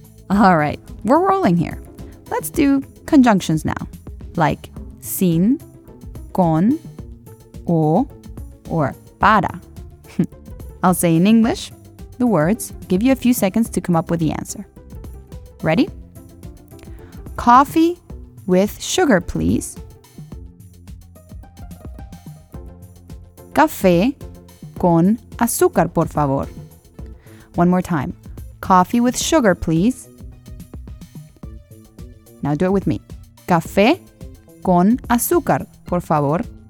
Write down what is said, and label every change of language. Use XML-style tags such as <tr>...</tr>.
<en>All right, we're rolling here. Let's do conjunctions now, like sin, con, o, or para. I'll say in English the words, give you a few seconds to come up with the answer. Ready? Coffee with sugar, please.</en> <es>Café con azúcar, por favor.</es> <en>One more time. Coffee with sugar, please. Now do it with me.</en> <es>Café con azúcar, por favor.</es>